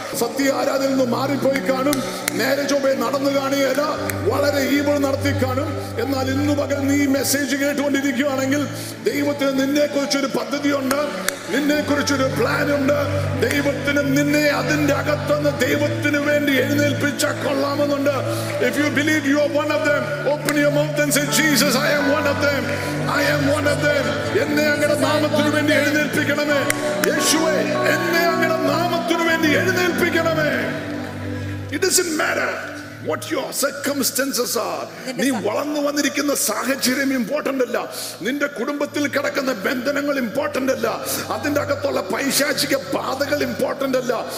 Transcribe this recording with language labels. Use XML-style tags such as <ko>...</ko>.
<ml>സത്യ ആരാധനയിൽ നിന്ന് മാറിപ്പോയി കാണും, നേരെ ചൊവ്വേ നടന്നു കാണുകയല്ല, വളരെ ഈവൾ നടത്തി കാണും. എന്നാൽ ഇന്നു പകൽ നീ മെസ്സേജ് കേട്ടുകൊണ്ടിരിക്കുകയാണെങ്കിൽ ദൈവത്തിന് നിന്നെ കുറിച്ചൊരു പദ്ധതിയുണ്ട്, നിന്നെ കുറിച്ചൊരു പ്ലാൻ ഉണ്ട്. ദൈവത്തിന് നിന്നെ അതിന്റെ അകത്തുനിന്ന് ദൈവത്തിന് വേണ്ടി എഴുന്നേൽപ്പിച്ച കൊള്ളാമെന്നുണ്ട്.</ml> <en>If you believe you are one of them, open your mouth and say, Jesus, I am one of them. I am one of them.</en> <ml>എന്നെ അങ്ങയുടെ നാമത്തിന് വേണ്ടി എഴുന്നേൽപ്പിക്കണമേ. യേശുവേ, എന്നെ അങ്ങയുടെ നാമത്തിന് വേണ്ടി എഴുന്നേൽപ്പിക്കണമേ.</ml> <en>It doesn't matter what your circumstances are.</en> <ml>നീ വളർന്നു വന്നിരിക്കുന്ന സാഹചര്യം ഇമ്പോർട്ടന്റ് അല്ല, നിന്റെ കുടുംബത്തിൽ കിടക്കുന്ന ബന്ധനങ്ങൾ ഇമ്പോർട്ടന്റ് അല്ല, അതിന്റെ അകത്തുള്ള പൈശാചിക ബാധകൾ ഇമ്പോർട്ടന്റ് അല്ല.</ml>